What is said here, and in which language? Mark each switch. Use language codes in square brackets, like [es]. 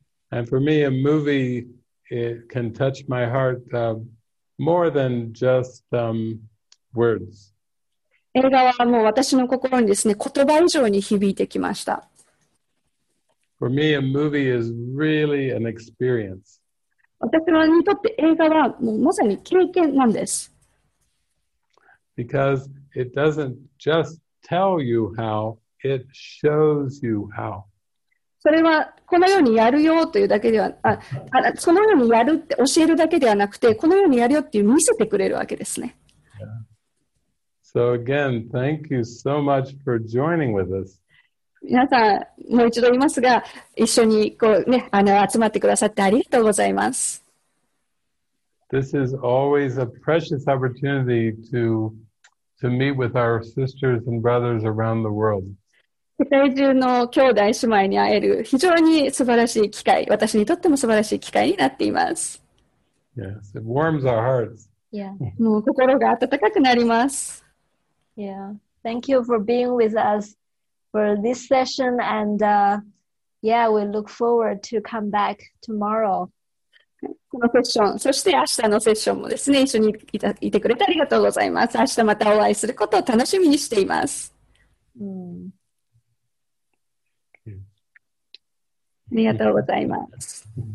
[en] And for me, a movie it can touch my heart more than just words. [ja] 映画はもう私の心にですね、言葉以上に響いてきました。 [en] For me, a movie is really an experience. [ja] 私にとって映画はもうまさに経験なんです。 [en] Because it doesn't just tell you how, it shows you how. [ja] それはこのようにやるよというだけでは、そのようにやるって教えるだけではなくて、このようにやるよっていう見せてくれるわけですね。 [en] So again, thank you so much for joining with us. [ja] 皆さん、もう一度言いますが、一緒にこうね、集まってくださってありがとうございます。 [en] This is always a precious opportunity to meet with our sisters and brothers around the world. [ja] 世界中の兄弟姉妹に会える非常に素晴らしい機会、私にとっても素晴らしい機会になっています。 [en] Yes, it warms our hearts. Yeah. [ja] もう心が温かくなります。 [en] Yeah, thank you for being with us for this session. And yeah, we look forward to come back tomorrow. [ja] このセッション、そして明日のセッションもですね、一緒にいてくれてありがとうございます。明日またお会いすることを楽しみにしています。ありがとうございます。